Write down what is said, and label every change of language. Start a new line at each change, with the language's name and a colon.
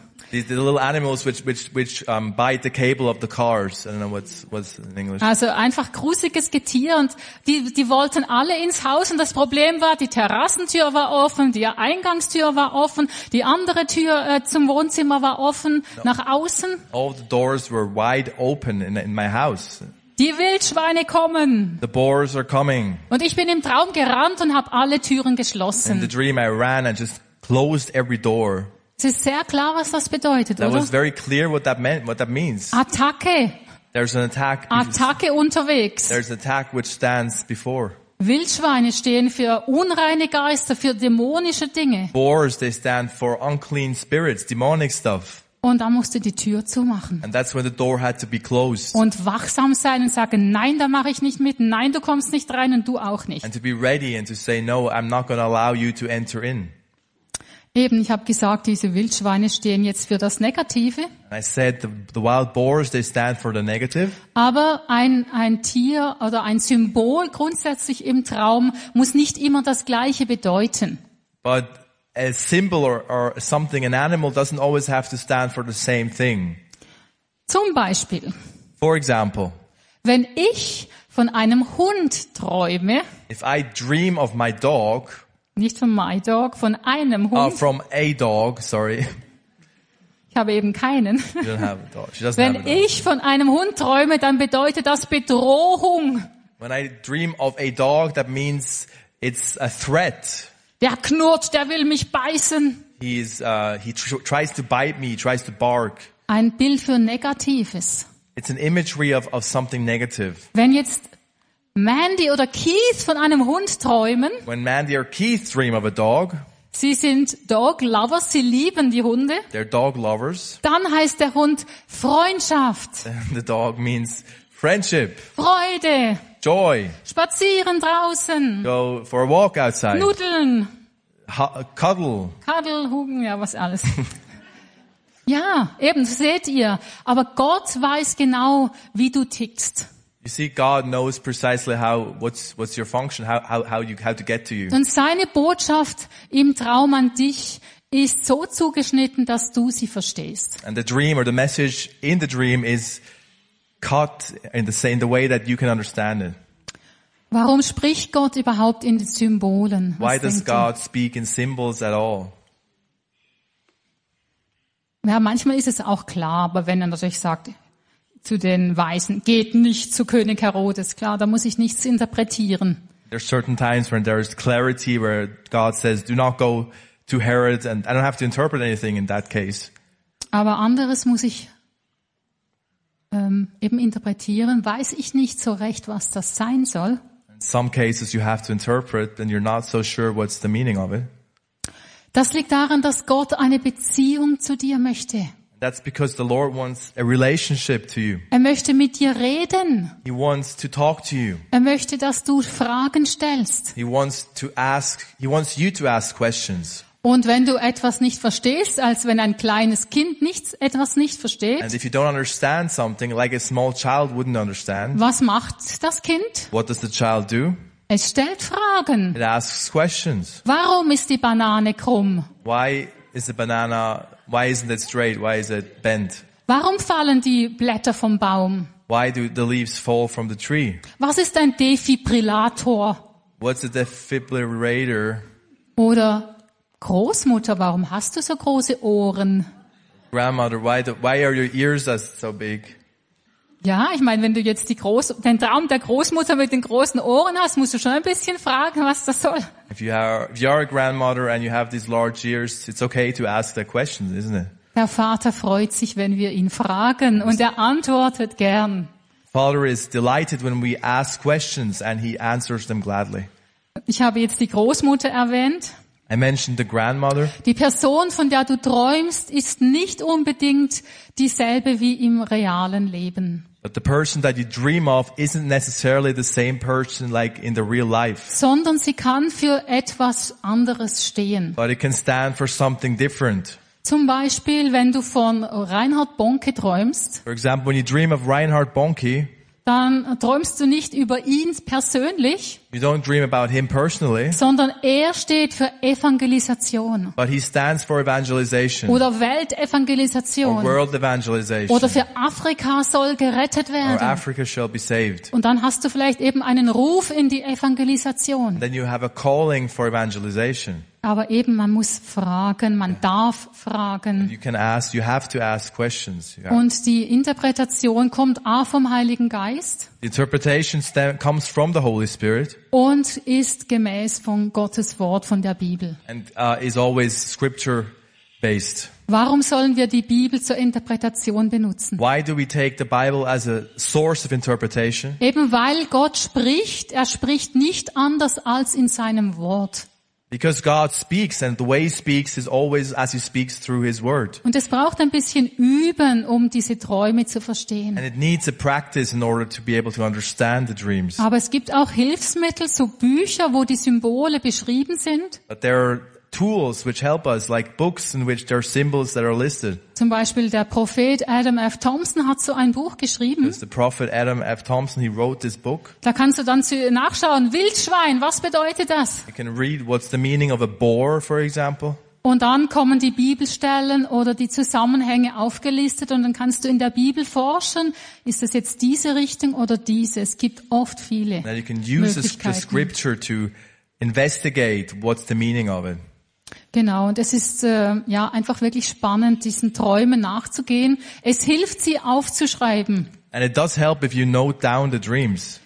English: The little animals which bite the cable of the cars. I don't know what's in English.
German: Also einfach grusiges Getier, und die wollten alle ins Haus, und das Problem war, die Terrassentür war offen, die Eingangstür war offen, die andere Tür zum Wohnzimmer war offen, no, nach außen.
English: All the doors were wide open in my house.
German: Die Wildschweine kommen.
English: The boars are coming.
German: Und ich bin im Traum gerannt und habe alle Türen geschlossen.
English: In the dream I ran and just closed every door.
German: Es ist sehr klar, was das bedeutet,
English: that
German: oder?
English: Was very clear what that means.
German: Attacke.
English: There's an attack.
German: Attacke unterwegs.
English: There's an attack which stands before.
German: Wildschweine stehen für unreine Geister, für dämonische Dinge.
English: Boars, they stand for unclean spirits, demonic stuff.
German: Und da musste die Tür zumachen.
English: And that's when the door had to be closed.
German: Und wachsam sein und sagen, nein, da mache ich nicht mit. Nein, du kommst nicht rein und du auch nicht.
English: And to be ready and to say, no, I'm not going to allow you to enter in.
German: Eben, ich habe gesagt, diese Wildschweine stehen jetzt für das Negative.
English: I said the wild boars, they stand for the negative.
German: Aber ein Tier oder ein Symbol grundsätzlich im Traum muss nicht immer das Gleiche bedeuten.
English: But a symbol or something, an animal, doesn't always have to stand for the same thing.
German: Zum Beispiel.
English: For example.
German: Wenn ich von einem Hund träume.
English: If I dream of my dog.
German: Nicht von
English: my dog,
German: von einem Hund.
English: From a dog, sorry.
German: Ich habe eben keinen.
English: You don't have a dog. She doesn't
German: Wenn
English: have a dog.
German: Ich von einem Hund träume, dann bedeutet das Bedrohung.
English: When I dream of a dog, that means it's a threat.
German: Der knurrt, der will mich beißen.
English: He tries to bite me, tries to bark.
German: Ein Bild für Negatives.
English: It's an imagery of something negative.
German: Wenn jetzt Mandy oder Keith von einem Hund träumen.
English: When Mandy or Keith dream of a dog.
German: Sie sind
English: dog lovers,
German: sie lieben die Hunde.
English: They're dog lovers.
German: Dann heißt der Hund Freundschaft.
English: The dog means friendship.
German: Freude.
English: Joy.
German: Spazieren draußen.
English: Go for a walk outside.
German: Nudeln.
English: Cuddle. Cuddle,
German: hugen, ja, was alles. Ja, eben, seht ihr. Aber Gott weiß genau, wie du tickst.
English: You see, God knows precisely what's your function, how to get to you.
German: Und seine Botschaft im Traum an dich ist so zugeschnitten, dass du sie verstehst.
English: And the dream or the message in the dream is cut in the way that you can understand it.
German: Warum spricht Gott überhaupt in Symbolen?
English: Why does God speak in symbols at all?
German: Ja, manchmal ist es auch klar, aber wenn er natürlich sagt zu den Weisen, geht nicht zu König Herodes, klar, da muss ich nichts interpretieren.
English: There are certain times when there is clarity where God says, do not go to Herod, and I don't have to interpret anything in that case.
German: Aber anderes muss ich eben interpretieren, weiß ich nicht so recht, was das sein soll.
English: In some cases you have to interpret, and you're not so sure what's the meaning of it.
German: Das liegt daran, dass Gott eine Beziehung zu dir möchte.
English: That's because the Lord wants a relationship to you.
German: Er möchte mit dir reden.
English: He wants to talk to you.
German: Er möchte, dass du Fragen stellst.
English: He wants you to ask questions.
German: Und wenn du etwas nicht verstehst, als wenn ein kleines Kind etwas nicht versteht.
English: And if you don't understand something like a small child wouldn't understand.
German: Was macht das Kind?
English: What does the child do?
German: Es stellt Fragen.
English: It asks questions.
German: Warum ist die Banane krumm?
English: Why isn't it straight? Why is it bent?
German: Warum fallen die Blätter vom Baum?
English: Why do the leaves fall from the tree?
German: Was ist ein Defibrillator?
English: What's a defibrillator?
German: Oder Großmutter, warum hast du so große Ohren?
English: Grandmother, why are your ears so big?
German: Ja, ich meine, wenn du jetzt den Traum der Großmutter mit den großen Ohren hast, musst du schon ein bisschen fragen, was das soll.
English: If you are a grandmother and you have these large ears, it's okay to ask that question, isn't it?
German: Der Vater freut sich, wenn wir ihn fragen, und er antwortet gern.
English: Father is delighted when we ask questions and he answers them gladly.
German: Ich habe jetzt die Großmutter erwähnt.
English: I mentioned the grandmother.
German: Die Person, von der du träumst, ist nicht unbedingt dieselbe wie im realen Leben.
English: But the person that you dream of isn't necessarily the same person like in the real life.
German: Sondern sie kann für etwas anderes stehen.
English: But it can stand for something different.
German: Zum Beispiel, wenn du von Reinhard Bonnke träumst.
English: For example, when you dream of Reinhard Bonnke.
German: Dann träumst du nicht über ihn persönlich,
English: you don't dream about him personally,
German: sondern er steht für Evangelisation.
English: But he stands for evangelization.
German: Oder Weltevangelisation.
English: Or world evangelization.
German: Oder für Afrika soll gerettet werden.
English: Or Africa shall be saved.
German: Und dann hast du vielleicht eben einen Ruf in die Evangelisation.
English: Then you have a calling for evangelization.
German: Aber eben, man muss fragen, man darf fragen.
English: You can ask, you have to ask questions. Yeah.
German: Und die Interpretation kommt A vom Heiligen Geist.
English: The interpretation comes from the Holy Spirit.
German: Und ist gemäß von Gottes Wort, von der Bibel.
English: And is always scripture based.
German: Warum sollen wir die Bibel zur Interpretation benutzen?
English: Why do we take the Bible as a source of interpretation?
German: Eben weil Gott spricht, er spricht nicht anders als in seinem Wort.
English: Because God speaks, and the way He speaks is always as He speaks through His Word.
German: Und es braucht ein bisschen Üben, um diese Träume zu verstehen.
English: And it needs a practice in order to be able to understand the dreams.
German: Aber es gibt auch Hilfsmittel, so Bücher, wo die Symbole beschrieben sind.
English: But there are tools which help us, like books in which there are symbols that are listed.
German: Zum Beispiel der Prophet Adam F. Thompson hat so ein Buch geschrieben.
English: The prophet Adam F. Thompson, he wrote this book.
German: Da kannst du dann nachschauen, Wildschwein, was bedeutet das?
English: You can read what's the meaning of a boar, for example.
German: Und dann kommen die Bibelstellen oder die Zusammenhänge aufgelistet und dann kannst du in der Bibel forschen, ist das jetzt diese Richtung oder diese? Es gibt oft viele Möglichkeiten. Genau, und es ist ja einfach wirklich spannend, diesen Träumen nachzugehen. Es hilft, sie aufzuschreiben.
English: And it does help if you note down the dreams.